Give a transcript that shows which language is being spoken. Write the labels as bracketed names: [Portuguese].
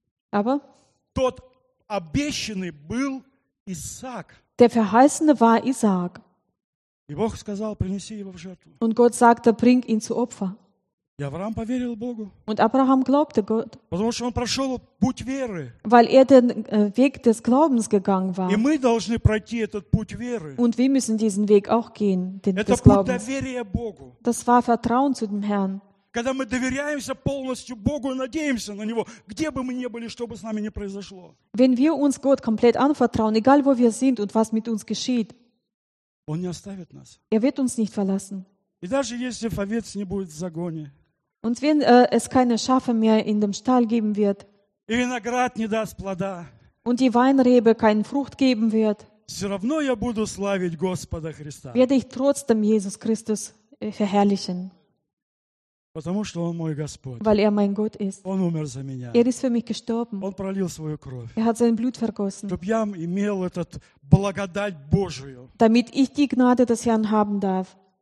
[German] Aber [Russian] тот обещанный был Исаак. [German] Der verheißene war Isaac. [Russian] И Бог сказал: принеси его в жертву. [German] Und Gott sagte: bring ihn zu Opfer. [Russian] И Авраам поверил Богу. [German] Und Abraham glaubte Gott. [Russian] Потому что он прошел путь веры. [German] Weil er den Weg des Glaubens gegangen war. [Russian] И мы должны пройти этот путь веры. [German] Und wir müssen diesen Weg auch gehen, den des Glaubens. [Russian] Это путь доверия Богу. [German] Das war Vertrauen zu dem Herrn. [Russian] Когда мы доверяемся полностью Богу и надеемся на Него, где бы мы ни были, что бы с нами ни произошло. [German] Wenn wir uns Gott komplett anvertrauen, egal wo wir sind und was mit uns geschieht, [Russian] Он не оставит нас. [German] Er wird uns nicht verlassen. [Russian] И даже если овец не будет в загоне, [German] und wenn es keine Schafe mehr in dem Stall geben wird, [Russian] и виноград не даст плода, [German] und die Weinrebe keinen Frucht geben wird, [Russian] все равно я буду славить Господа Христа. [German] Werde ich trotzdem Jesus Christus verherrlichen. [Russian] Потому что он мой Господь. [German] Weil er mein Gott ist. [Russian] Он умер за меня. [German] Er ist für mich gestorben. [Russian] Он пролил свою кровь. [German] Er hat sein Blut vergossen. [Russian] Чтобы я имел этот благодать Божию. [German] Damit ich die Gnade des Herrn haben darf.